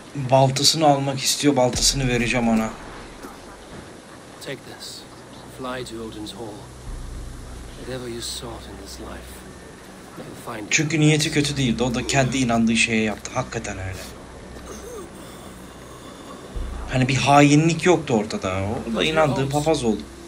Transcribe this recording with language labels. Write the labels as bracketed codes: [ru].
[tr] Baltasını almak istiyor, baltasını vereceğim ona. [en] Take this. Fly to Odin's hall. Whatever you sought in this life, you'll find it. [tr] Çünkü niyeti kötü değildi. O da kendi inandığı şeye yaptı. Hakikaten öyle. Hani bir hainlik yoktu ortada. O da inandığı papaz oldu.